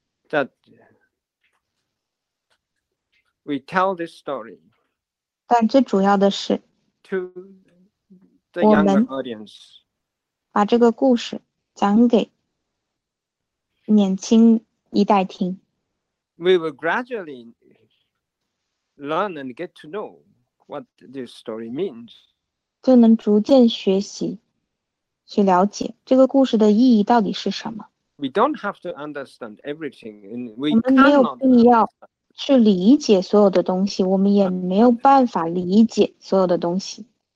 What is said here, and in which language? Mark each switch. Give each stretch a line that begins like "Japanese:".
English: That we tell this story.
Chinese: 但最主要的是,
English: to the younger audience.
Chinese: 把这个故事讲给年轻一代听.
English: We will gradually learn and get to know what this story means.
Chinese: 就能逐渐学习. 去了解这个故事的意义到底是什么。
English: We don't have to understand everything. We
Chinese: 我们没有必要去理解所有的东西, 我们也没有办法理解所有的东西。